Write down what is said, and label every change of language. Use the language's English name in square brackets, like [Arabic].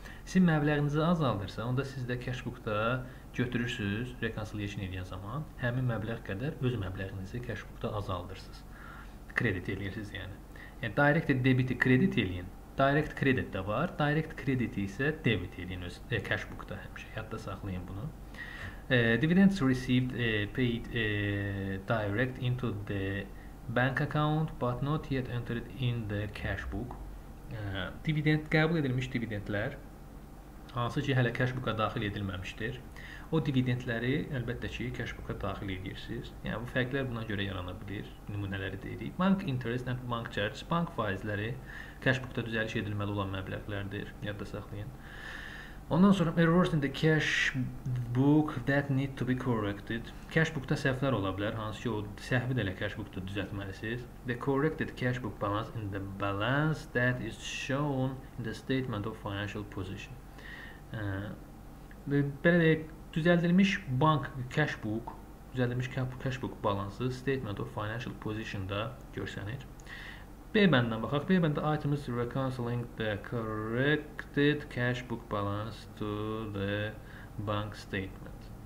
[Azerbaijani] Sizin məbləğinizi azaldırsa, onda siz də cash book-da götürürsünüz reconciliation edən zaman, həmin məbləğ qədər öz məbləğinizi cash book-da azaldırsınız. Kredit edirsiniz yəni. Yəni, direct debiti kredit edin. Direct credit də var. Direct krediti isə debit edin öz cash book-da həmişə. Yadda saxlayın bunu. [English] Dividends received paid direct into the bank account but not yet entered in the cash book. [Azerbaijani] Dividend qəbul edilmiş dividendlər hansı ki hələ cash booka daxil edilməmişdir. O dividendləri əlbəttə ki cash booka daxil edirsiniz. Yəni bu fərqlər buna görə yarana bilər. Nümunələri deyirik. [English] Bank interest and bank charge, [Azerbaijani] bank faizləri cash booka düzəliş edilməli olan məbləğlərdir. Yadda saxlayın. Ondan sonra [English] errors in the cash book that need to be corrected. [Azerbaijani] Cash book-da səhvlər ola bilər, hansı ki o səhvi də elə cash book-da düzəltməlisiniz. [English] The corrected cash book balance in the balance that is shown in the statement of financial position. [Azerbaijani] Belə deyək, düzəldilmiş bank cash book, düzəldilmiş cash book balansı statement of financial position-da görsənir. B bəndən baxaq. B bəndə [English] item is reconciling the corrected cash book balance to the bank statement.